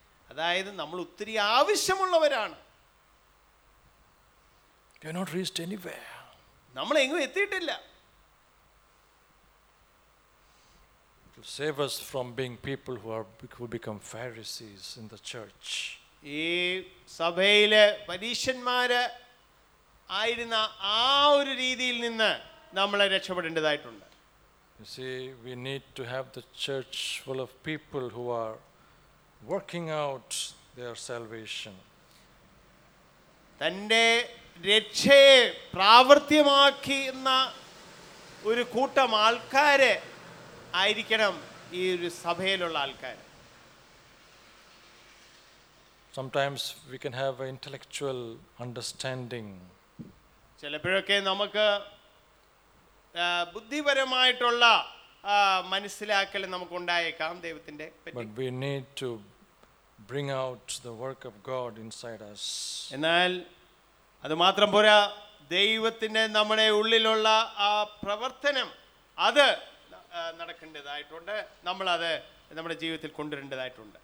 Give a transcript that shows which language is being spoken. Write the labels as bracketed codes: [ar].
[ml] അതായത് നമ്മൾ ഒത്തിരി ആവശ്യമുള്ളവരാണ്. [en] You have not reached anywhere. [ml] നമ്മൾ എങ്ങും എത്തിയിട്ടില്ല. [en] It will save us from being people who become Pharisees in the church. [ml] ഈ സഭയിലെ പരീശന്മാര് ആയിരുന്ന ആ ഒരു രീതിയിൽ നിന്ന് നമ്മളെ രക്ഷപ്പെടേണ്ടതായിട്ടുണ്ട്. [en] You see, we need to have the church full of people who are working out their salvation. [ml] തന്റെ രക്ഷയെ പ്രാവർത്തികമാക്കുന്ന ഒരു കൂട്ടം ആൾക്കാരെ ആയിരിക്കണം ഈ ഒരു സഭയിലുള്ള ആൾക്കാർ. [en] Sometimes we can have an intellectual understanding. [ml] ചിലപ്പോഴൊക്കെ നമുക്ക് ബുദ്ധിപരമായിട്ടുള്ള മനസ്സിലാക്കൽ നമുക്ക് ഉണ്ടായേക്കാം ദൈവത്തിന്റെ. [en] But we need to bring out the work of God inside us. [ml] എന്നാൽ അതു മാത്രം പോരാ, ദൈവത്തിന്റെ നമ്മുടെ ഉള്ളിലുള്ള ആ പ്രവർത്തനം അത് നടക്കേണ്ടതായിട്ടുണ്ട്. നമ്മൾ അത് നമ്മുടെ ജീവിതത്തിൽ കൊണ്ടുവരേണ്ടതായിട്ടുണ്ട്.